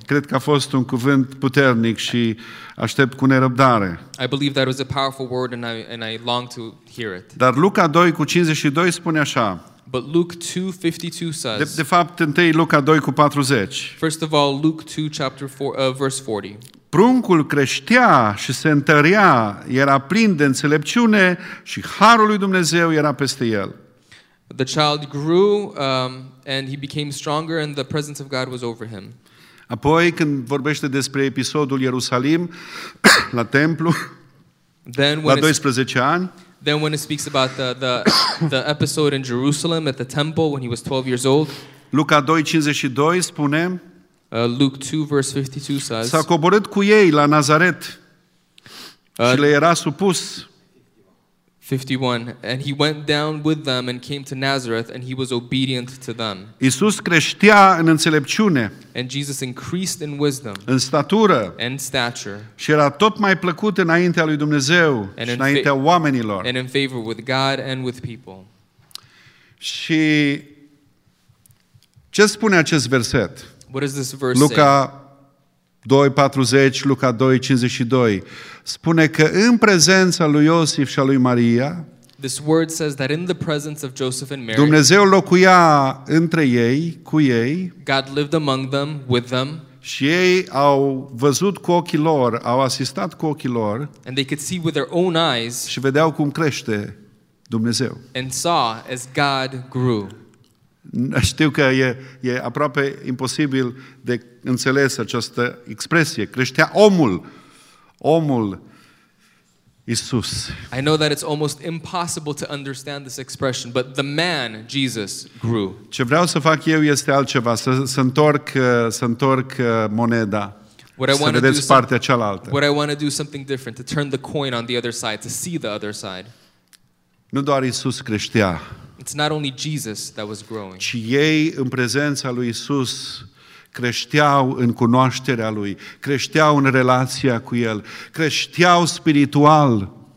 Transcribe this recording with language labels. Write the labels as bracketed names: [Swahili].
[Romanian] Cred că a fost un cuvânt puternic și aștept cu nerăbdare. [English] I believe that it was a powerful word and I long to hear it. [Romanian] Dar Luca 2:52 spune așa. [English] But Luke 2:52 says. [Romanian] De fapt, întâi Luca 2:40. [English] First of all, Luke 2 chapter 4 verse 40. [Romanian] Pruncul creștea și se întărea, era plin de înțelepciune și harul lui Dumnezeu era peste el. [English] The child grew and he became stronger and the presence of God was over him. [Romanian] Apoi când vorbește despre episodul Ierusalim la templu, la 12 ani. [English] Then when it speaks about the episode in Jerusalem at the temple when he was 12 years old. [Romanian] Luca 2:52 spune. [English] Luke 2:52 says. [Romanian] S-a coborât cu ei la Nazaret. Și le era supus. [English] 51 and he went down with them and came to Nazareth and he was obedient to them. [Romanian] Isus creștea în înțelepciune. [English] And Jesus increased in wisdom. [Romanian] În statură. [English] And stature. [Romanian] Și era tot mai plăcut înaintea lui Dumnezeu și înaintea oamenilor. [English] And in favor with God and with people. [Romanian] Și ce spune acest verset? [English] What does this verse [Romanian] Luca 2:40, Luca 2:52 spune că în prezența lui Iosif și a lui Maria, [English] this word says that in the presence of Joseph and Mary, [Romanian] Dumnezeu locuia între ei, cu ei, [English] God lived among them, with them, [Romanian] și ei au văzut cu ochii lor, au asistat cu ochii lor, [English] and they could see with their own eyes, [Romanian] și vedeau cum crește Dumnezeu, [English] and saw as God grew. [Romanian] Știu că e aproape imposibil de înțeles această expresie. Creștea omul. Omul Isus. [English] I know that it's almost impossible to understand this expression, but the man Jesus grew. [Romanian] Ce vreau să fac eu este altceva, să întorc moneda. [English] What I want to do something different, to turn the coin on the other side, to see the other side. [Romanian] Nu doar Isus creștea. [English] It's not only Jesus that was growing. [Romanian] Ci ei în prezența lui Isus creșteau în cunoașterea lui, creșteau în relația cu el, creșteau spiritual.